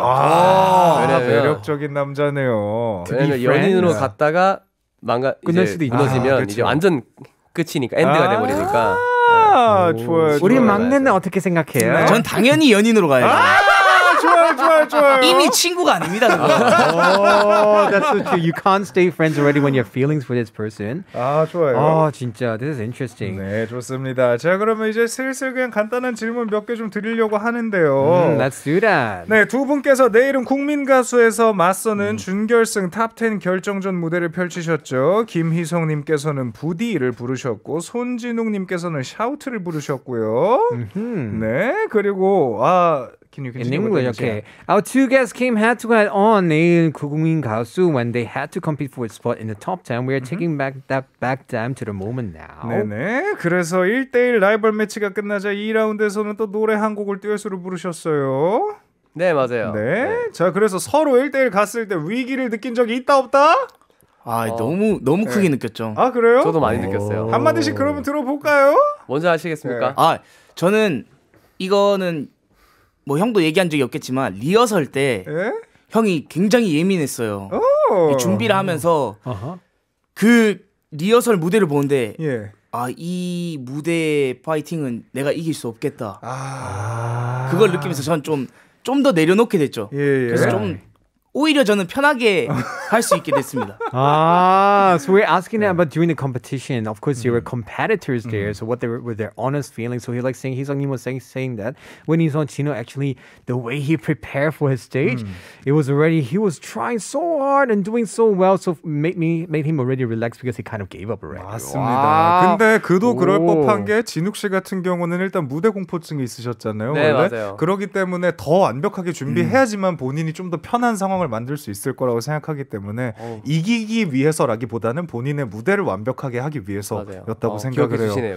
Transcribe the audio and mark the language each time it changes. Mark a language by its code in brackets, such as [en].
[ko] 아, 왜냐면, 매력적인 남자네요. 왜냐면 연인으로 갔다가 망가 끝날 수도 무너지면 이제 완전 끝이니까 엔드가 돼버리니까. 좋아요. 우리 막내는 어떻게 생각해요? 네. 전 당연히 연인으로 가야죠. 좋아요. 이미 친구가 아닙니다. [en] That's so true. You can't stay friends already when you have feelings for this person. [ko] 아, 좋아요. [en] 아, [ko] 진짜. [en] This is interesting. [ko] 네, 좋습니다. 자, 그러면 이제 슬슬 그냥 간단한 질문 몇 개 좀 드리려고 하는데요. [en] Let's do that. [ko] 네, 두 분께서 내일은 국민 가수에서 맞서는 준결승 탑10 결정전 무대를 펼치셨죠. 김희성 님께서는 부디를 부르셨고 손진욱 님께서는 샤우트를 부르셨고요. 네, 그리고 [en] In English, okay. Our two guests came head to head on 내일 국민 가수 when they had to compete for a spot in the top 10. We are taking back that back time to the moment now. [ko] 네네. 그래서 1대1 라이벌 매치가 끝나자 2라운드에서는 또 노래 한 곡을 듀엣으로 부르셨어요. 네, 맞아요. 네. 네. 자, 그래서 서로 1대1 갔을 때 위기를 느낀 적이 있다 없다? 아, 너무 크게 네. 느꼈죠. 아, 그래요? 저도 많이 느꼈어요. 한마디씩 그러면 들어볼까요? 먼저 하시겠습니까? 네. 아, 저는 이거는 뭐 형도 얘기한 적이 없겠지만 리허설 때 에? 형이 굉장히 예민했어요. 준비를 하면서 그 리허설 무대를 보는데 예. 아, 이 무대 파이팅은 내가 이길 수 없겠다. 아. 그걸 느끼면서 저는 좀 더 내려놓게 됐죠. 예, 예. 그래서 좀 오히려 저는 편하게 할 수 있게 됐습니다. [en] 아, so we're asking yeah. about during the competition. Of course, you were competitors there. So what were their honest feelings? So he like saying, Hee-seok-nim was saying that when he's on Chino, actually the way he prepared for his stage, it was already, he was trying so hard and doing so well. So made him already relax because he kind of gave up already. [ko] 맞습니다. 와. 근데 그도 그럴 법한 게 진욱 씨 같은 경우는 일단 무대 공포증이 있으셨잖아요. 네, 원래? 맞아요. 그렇기 때문에 더 완벽하게 준비해야지만 본인이 좀 더 편한 상황을 만들 수 있을 거라고 생각하기 때문에 이기기 위해서라기보다는 본인의 무대를 완벽하게 하기 위해서였다고 생각을 해요.